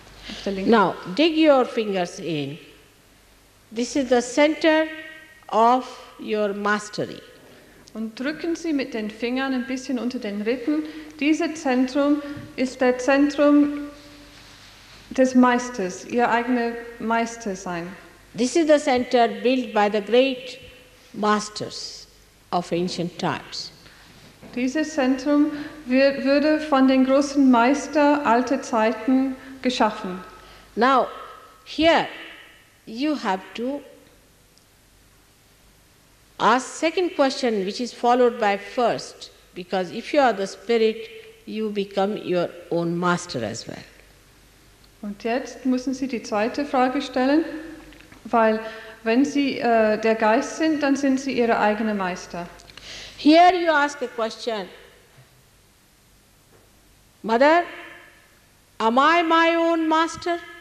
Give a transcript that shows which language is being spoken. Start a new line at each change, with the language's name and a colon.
German: Auf der linken.
English: Now, dig your fingers in. This is the center of your mastery.
German: Und drücken Sie mit den Fingern ein bisschen unter den Rippen. Dieses Zentrum ist das Zentrum des Meisters, Ihr eigener Meister sein.
English: This is the center built by the great masters of ancient times.
German: Dieses Zentrum wurde von den großen Meister alter Zeiten geschaffen.
English: Now, here you have to ask second question, which is followed by first, because if you are the spirit, you become your own master as well.
German: Und jetzt müssen Sie die zweite Frage stellen, weil wenn Sie der Geist sind, dann sind Sie Ihre eigene Meister.
English: Here you ask a question. Mother, am I my own master?